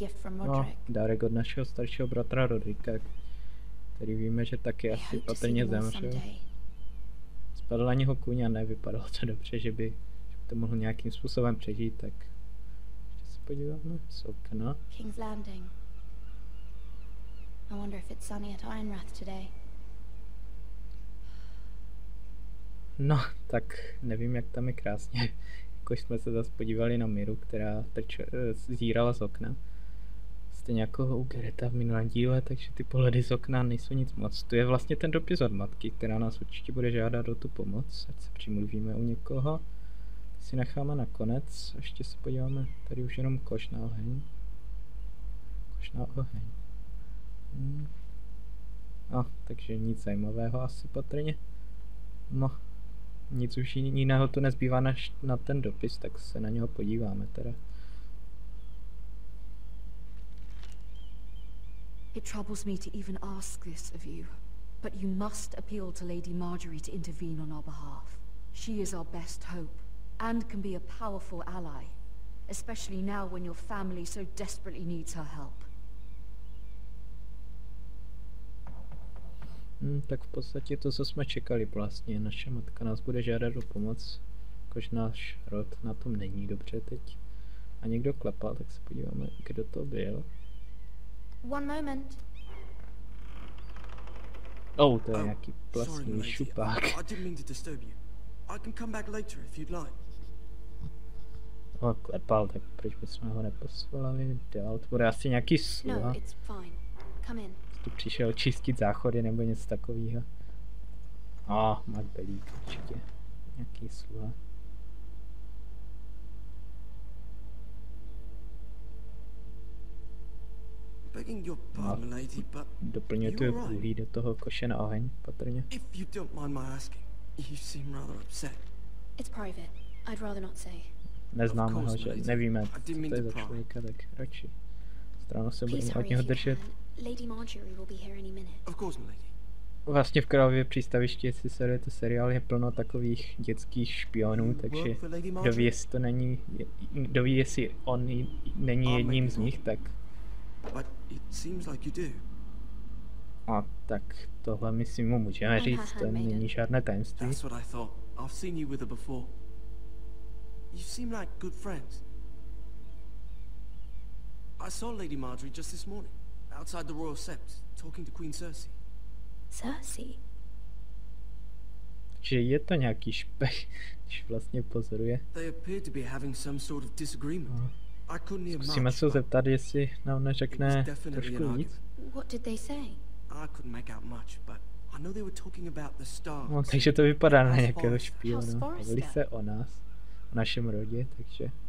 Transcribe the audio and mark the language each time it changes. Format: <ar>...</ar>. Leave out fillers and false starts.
<cs>No, dárek od našeho staršího bratra Roderika, který víme, že taky asi patrně zemřel. Spadl na něho kůň a nevypadalo to dobře, že by to mohl nějakým způsobem přežít, tak ještě se podíváme z okna.</cs> <en>King's Landing. I wonder if it's sunny at Ironrath today.</en> <cs>No, tak nevím, jak tam je krásně. Jako jsme se zase podívali na Miru, která zírala z okna. Stejně jako u Gereta v minulém díle, takže ty pohledy z okna nejsou nic moc. To je vlastně ten dopis od matky, která nás určitě bude žádat o tu pomoc, ať se přimluvíme u někoho. Si necháme nakonec, a ještě se podíváme. Tady už jenom koš na oheň. Koš na oheň. No, takže nic zajímavého asi patrně. No, nic už jiného tu nezbývá než na ten dopis, tak se na něho podíváme teda.</cs> <en>It troubles me to even ask this of you, but you must appeal to Lady Marjorie to intervene on our behalf. She is our best hope, and can be a powerful ally, especially now when your family so desperately needs her help.</en> <cs>Tak v podstatě to, co jsme čekali vlastně. Naše matka nás bude žádat o pomoc, jakož náš rod na tom není dobře teď. A někdo klepal, tak se podíváme, kdo to byl.</cs> <en>One moment.</en> <cs>Oh, to je nějaký plastový šupák.</cs> <en>I didn't mean to disturb you. I can come back later if you'd like.</en> <cs>No, klepal, tak proč bychom ho neposvolali dál? To bude asi nějaký sluha.</cs> <en>No, it's fine. Come in.</en> <cs>Tu přišel čistit záchody nebo něco takového. A oh, Magbelík určitě. Nějaký sluha.</cs> <en>Begging your pardon, lady, but</en> <cs>doplňuje tu uhlí do toho koše na oheň, patrně.</cs> <en>If you don't mind my asking, you seem rather upset. It's private. I'd rather not say.</en> <cs>Neznáme ho, že nevíme, co to je za člověka, tak radši. Stranu se budeme od něho držet.</cs> <en>Lady Marjorie will be here any minute. Of course, my lady.</en> <cs>Vlastně v Královově přístavišti, jestli se to seriál, je plno takových dětských špionů, takže kdo ví, jestli to není, kdo ví, jestli on není jedním z nich, tak</cs> <en>but it seems like you do.</en> <cs>A tak tohle my si mu můžeme říct, to není žádné tajemství.</cs> <en>That's what I thought. I've seen you with her before. You seem like good friends. I saw Lady Marjorie just this morning, outside the Royal Sept, talking to Queen Cersei. Cersei?</en> <cs>Že je to nějaký špech, když vlastně pozoruje.</cs> <en>They appear to be having some sort of disagreement.</en> <cs>Zkusíme se zeptat, jestli nám neřekne trošku víc.</cs> <en>What did they say? I couldn't make out much, but I know they were talking about the Starks.</en> <cs>No, takže to vypadá na nějakého špiona. Mluví se o nás, o našem rodě, takže.</cs>